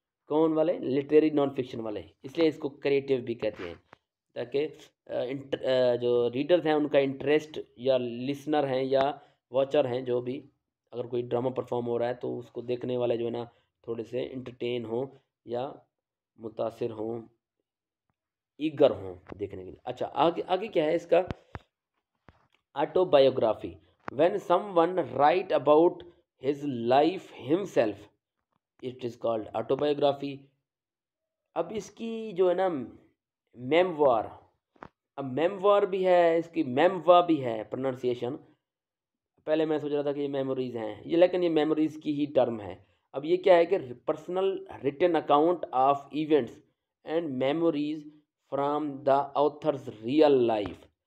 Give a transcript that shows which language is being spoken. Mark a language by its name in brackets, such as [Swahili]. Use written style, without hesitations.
[Urdu] کون والے؟ Literary non fiction والے. اس لیے اس کو کریٹو بھی کہتے ہیں, تاکہ جو ریڈرز ہیں ان کا انٹرسٹ, یا لسنر ہیں یا واچر ہیں جو بھی, اگر کوئی ڈرامہ پرفارم ہو رہا ہے تو اس کو دیکھنے والے جو ہے نا تھوڑے سے انٹرٹین ہوں یا متاثر ہوں, ایگر ہوں دیکھنے کے لیے. اچھا, آگے کیا ہے اس کا, auto biography. [English] When someone write about his life himself, it is called autobiography. [Urdu] اب اس کی جو ہے نا میموار, اب میموار بھی ہے اس کی, میموا بھی ہے پرنانسیشن. پہلے میں سوچ رہا تھا کہ یہ میموریز ہیں یہ, لیکن یہ میموریز کی ہی ٹرم ہے. اب یہ کیا ہے کہ [English] Personal written account of events and memories from the author's real life.